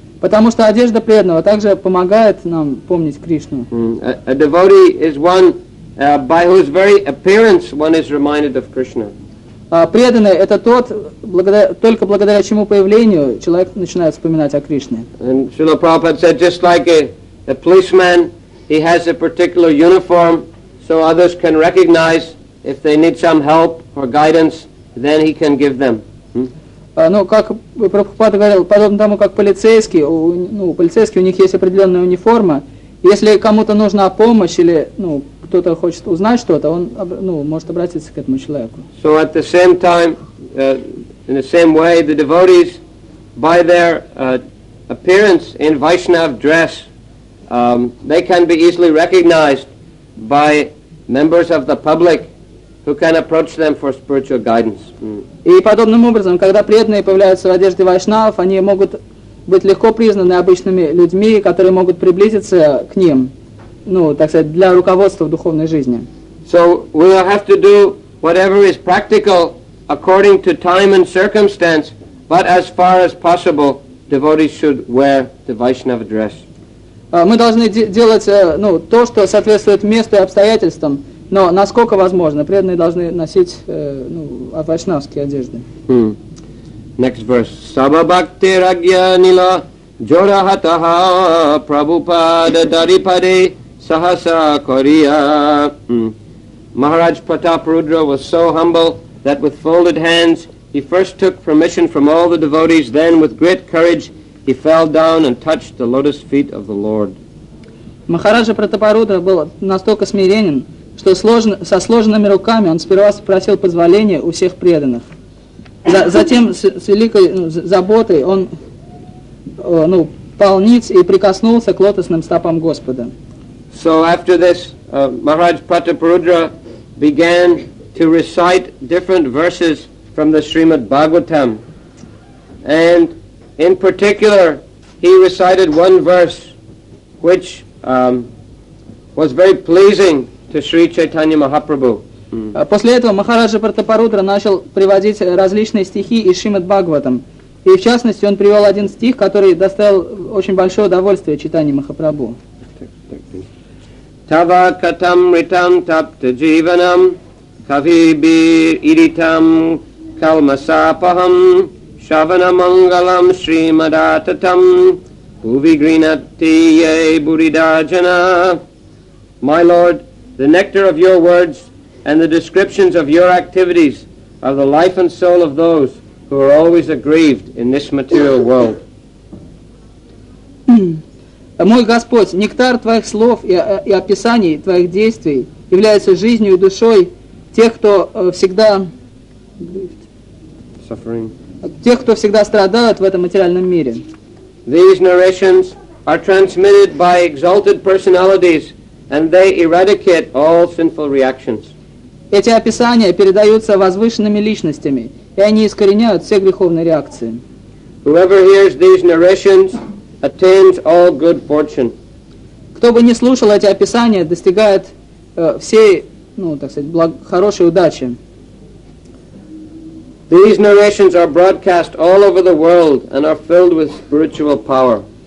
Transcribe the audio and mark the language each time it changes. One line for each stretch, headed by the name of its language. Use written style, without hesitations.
Russian: Потому что одежда преданного также помогает нам помнить Кришну.
English: A devotee is one by whose very appearance one is reminded of Krishna.
Russian: Преданный — это тот, только благодаря чему появлению человек начинает вспоминать о Кришне.
English: And Srila Prabhupada said, just like a policeman, he has a particular uniform, so others can recognize if they need some help or guidance, then he can give them.
Russian: Ну, как Прабхупада говорил, подобно тому, как полицейский, ну, полицейские, у них есть определенная униформа. Если кому-то нужна помощь или, ну, кто-то хочет узнать что-то, он, ну, может обратиться к этому человеку.
English: So at the same time, in the same way, the devotees, by their appearance in Vaishnava dress, they can be easily recognized by members of the public who can approach them for spiritual guidance.
Russian: И подобным образом, когда преданные появляются в одежде вайшнав, они могут быть легко признаны обычными людьми, которые могут приблизиться к ним, ну, так сказать, для руководства в духовной жизни.
English: So we have to do whatever is practical according to time and circumstance, but as far as possible, devotees should wear the Vaishnava dress.
Russian: Мы должны делать, ну, то, что соответствует месту и обстоятельствам, Но насколько возможно, преданные должны носить вайшнавские одежды.
English: Next verse.
Sanskrit: Sababhakti ragya nila jorahataha prabhupada daripade sahasa koriya.
English: Maharaj Pratap Rudra was so humble that with folded hands he first took permission from all the devotees, then with great courage he fell down and touched the lotus feet of the Lord.
Russian: Махараджа Пратапарудра был настолько смиренен, что со сложенными руками он сперва спросил позволения у всех преданных. Затем с великой заботой он пал ниц и прикоснулся к лотосным стопам Господа.
English: So after this, Maharaj Pratapurudra began to recite different verses from the Srimad Bhagavatam. And in particular, he recited one verse which was very pleasing to Sri Chaitanya Mahaprabhu.
Russian: После этого Махараджа Пратапарудра начал приводить различные стихи из Шримад Бхагаватам. И в частности, он привел один стих, который доставил очень большое удовольствие читанию Махапрабху.
Sanskrit: Tava katam ritam tapta jivanam kavibir iritam kalmasapaham shavanamangalam srimadatatam uvigrinatiye buridajana.
English: My Lord, the nectar of your words and the descriptions of your activities are the life and soul of those who are always aggrieved in this material world.
Russian: Мой Господь, нектар твоих слов и описаний твоих действий является жизнью и душой тех, кто всегда
English: suffering.
Russian: Тех, кто всегда страдают в этом материальном мире.
English: These narrations are transmitted by exalted personalities, and they eradicate all sinful reactions.
Russian: Эти описания передаются возвышенными личностями, и они искореняют все греховные реакции.
English: Whoever hears these narrations attains all good fortune.
Russian: Кто бы ни слушал эти описания, достигает всей, хорошей удачи.
English: These narrations are broadcast all over the world and are filled with spiritual power.